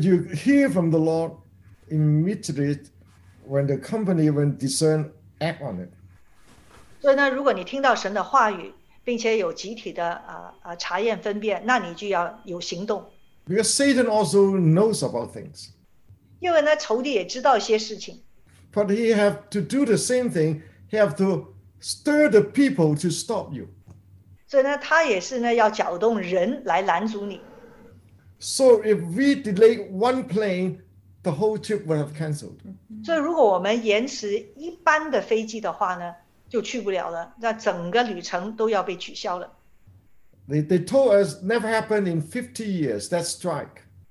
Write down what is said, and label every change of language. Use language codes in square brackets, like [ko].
[en] you hear from the Lord immediately, when the company even discern, act on it. [zh] 所以呢，如果你听到神的话语，并且有集体的 查验分辨，那你就要有行动。Because [en] Satan also knows about things. [zh] 因为呢，仇敌也知道些事情。But [en] he have to do the same thing. He have to stir the people to stop you. [zh] 所以呢，他也是呢要搅动人来拦阻你。So [en] if we delay one plane, the whole trip would have canceled. [zh] 所以如果我们延迟一般的飞机的话呢？就去不了了，那整个旅程都要被取消了。They [en] told us never happened in 50 years that strike.